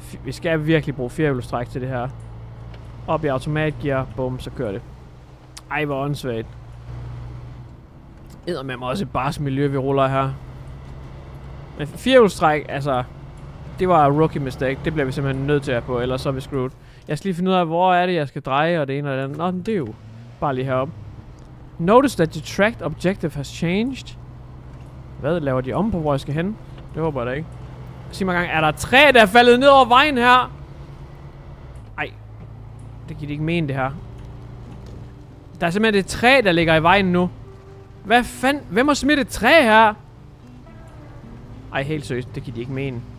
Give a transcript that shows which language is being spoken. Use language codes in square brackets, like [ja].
[da] Vi skal virkelig bruge firehjulstræk til det her. Op i automatgear, bum, så kører det. Ej, hvor åndssvagt. Eddermame også et barsk miljø, vi ruller her. Men firehjulstræk, altså... Det var [en] rookie mistake. [da] Det bliver vi simpelthen nødt til at have på, ellers så er vi screwed. Jeg skal lige finde ud af, hvor er det, jeg skal dreje, og det ene og det andet. Nå, det er jo bare lige herop. [en] Notice that the tracked objective has changed. [da] Hvad laver de om på, hvor jeg skal hen? Det håber jeg da ikke. Sig mig engang, er der træ, der er faldet ned over vejen her? Ej. Det giver de ikke mene, det her. Der er simpelthen et træ, der ligger i vejen nu. Hvad fanden? Hvem har smidt et træ her? Ej, helt seriøst. Det giver de ikke mene.